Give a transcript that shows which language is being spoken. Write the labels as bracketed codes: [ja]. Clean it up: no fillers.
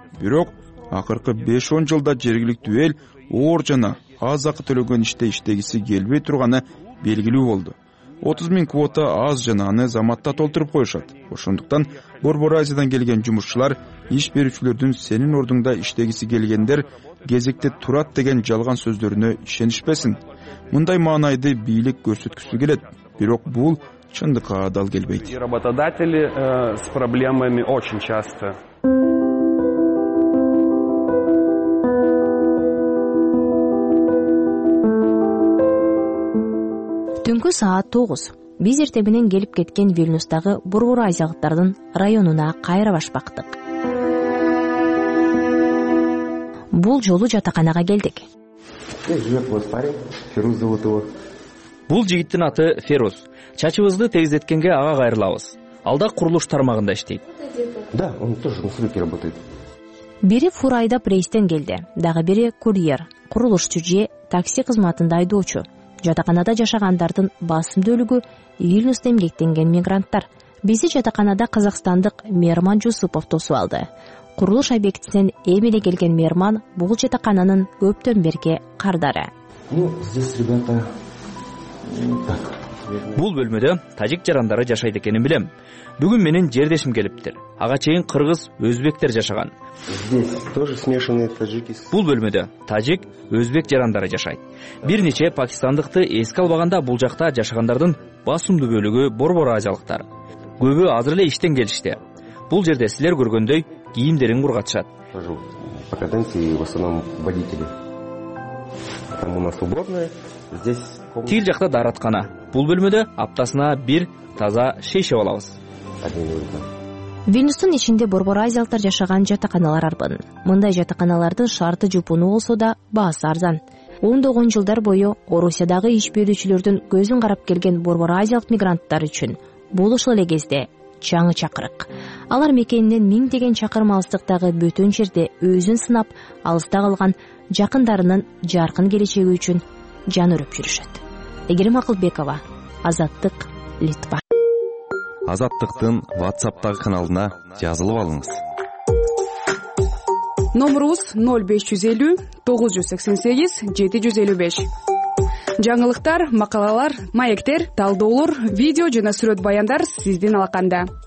[ky] Бирок акыркы 5-10 жылда жергиликтүү эл оор жана аз акы төлөгөн иште иштегиси келбей турганы белгилүү болду. 30,000 квота аз жана аны заматта толтуруп коюшат. Ошондуктан Борбор Азиядан келген жумушчулар иш берүүчүлөрдүн сенин ордуңда иштегиси келгендер кезекте турат деген жалган сөздөрүнө ишенишпесин. Мындай маанайды бийлик көрсөткүсү келет. Бирок бул чындыкка адал келбейт. [ru] Работодатели с проблемами очень часто. [ky] Түнкү саат 9. Биз эртең менен келип кеткен Вильнюстагы Борбор Азиялыктардын районуна кайра баш бактык. Бул жолу жатаканага келдик. Бул жигиттин аты Ферус. Чачыбызды тегиздеткенге ага кайрылабыз. Алда курулуш тармагында иштейт. [ru] Да, он тоже в фабрике работает. [ky] Бири фурайда прейстен келди, дагы бири курьер, курулушчу же такси кызматында айдоочу. Жатаканада жашагандардын басымдөлүгү Вильнюсту эмгектенген мигранттар. Бизди жатаканада казакстандык Мерман Жусупов тосуп алды. Курулуш объектисинен эмиле келген Мерман бул жатакананын көптөн берки кардары. Бул бөлмөдө тажик жарандары жашайт экенин билем. Бүгүн менин жердешим келиптир. Ага чейин кыргыз, өзбектер жашаган. Бул бөлмөдө тажик, өзбек жарандары жашайт. Бир нече пакистандыкты эске албаганда бул жакта жашагандардын басымдуу бөлүгү Борбор Азиялыктар. Көбү азыр эле иштен келишти. Бул жерде силер көргөндөй кийимдерин кургатышат. [ru] По каденции в основном водители. Там у нас уборная. Здесь [ky] тил жакта дараткана. Бул бөлмөдө аптасына бир таза шейшеп алабыз. Вильнюстун ичинде Борбор Азиялыктар жашаган жатаканалар арбын. Мындай жатаканалардын шарты жупуну болсо да баасы арзан. Ондогон жылдар бою Орусиядагы иш берүүчүлөрдүн көзүн карап келген Борбор Азиялык мигранттар үчүн бул ушул эле кезде жаңы чакырык. Алар мекенинен миң деген чакырым алыстыктагы бөтөн жерде өзүн сынап, алыста калган жакындарынын жаркын келечеги үчүн жан өрүп жүрүшөт. Эгерим Акылбекова, Азаттык, Литва. Азаттыктын WhatsApp-тагы каналына жазылып алыңыз. Номерубуз 0550 988 755. Жаңылыктар, макалалар, маектер, талдоолор, видео жана сүрөт баяндар сиздин алаканда.